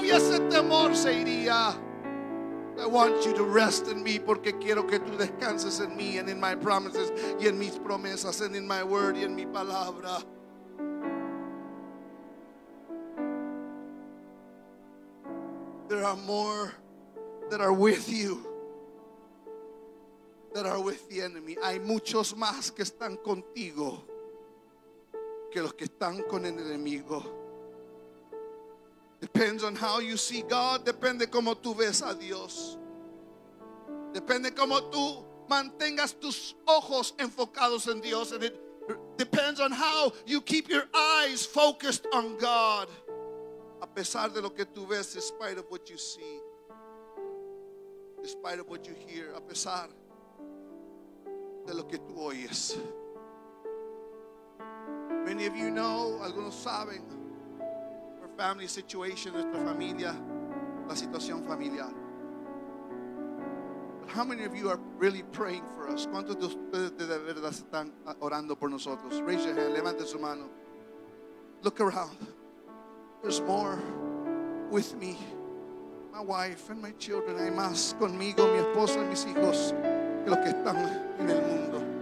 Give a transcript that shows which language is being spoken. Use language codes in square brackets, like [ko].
[es] Y ese temor se iría. [en] I want you to rest in me, [es] porque quiero que tú descanses en mí, [en] and in my promises, [es] y en mis promesas, [en] and in my word, [es] y en mi palabra. [en] There are more that are with you that are with the enemy. [es] Hay muchos más que están contigo que los que están con el enemigo. [en] Depends on how you see God. [es] Depende como tú ves a Dios. Depende como tú mantengas tus ojos enfocados en Dios. [en] And it depends on how you keep your eyes focused on God. [es] A pesar de lo que tú ves, [en] in spite of what you see, in spite of what you hear, [es] a pesar de lo que tú oyes. [en] Many of you know, [es] algunos saben, [en] our family situation, [es] nuestra familia, la situación familiar. [en] But how many of you are really praying for us? [es] ¿Cuántos de ustedes de verdad están orando por nosotros? [en] Raise your hand, [es] levante su mano. [en] Look around. There's more with me, my wife and my children. [es] Hay más conmigo, mi esposa y mis hijos, que los que están en el mundo.